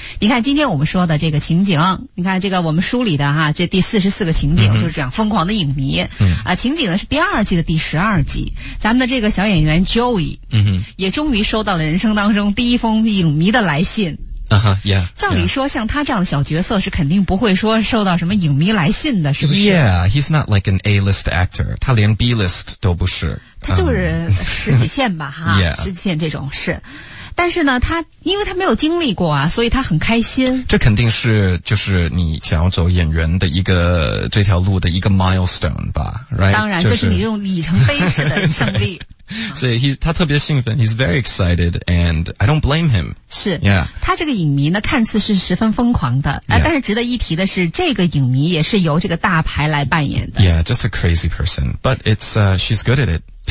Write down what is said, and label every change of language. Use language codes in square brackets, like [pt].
[zh] 你看今天我们说的这个情景，你看这个我们梳理的哈、这第44个情景就是这样疯狂的影迷。情景呢是第二季的第12集，咱们的这个小演员 Joey， 也终于收到了人生当中第一封影迷的来信。照理说像他这样的小角色是肯定不会说受到什么影迷来信的，是不是？ [en] Yeah, he's not like an A-list actor. [zh] 他连 B-list 都不是。他就是十几线吧哈。 [en] Yeah. [zh] 十几线这种是。但是呢他因为他没有经历过啊，所以他很开心。这肯定是就是你想要走演员的一个这条路的一个 milestone 吧， right? 当然、就是、这是你这种里程碑式的胜利。所以他特别兴奋 [en] ，he's very excited and I don't blame him. [zh] 是、 [en] yeah. [zh] 他这个影迷呢，看似是十分疯狂的、 [en] yeah. [zh] 但是值得一提的是，这个影迷也是由这个大牌来扮演的。 [en] Yeah, just a crazy person, but it's she's good at it.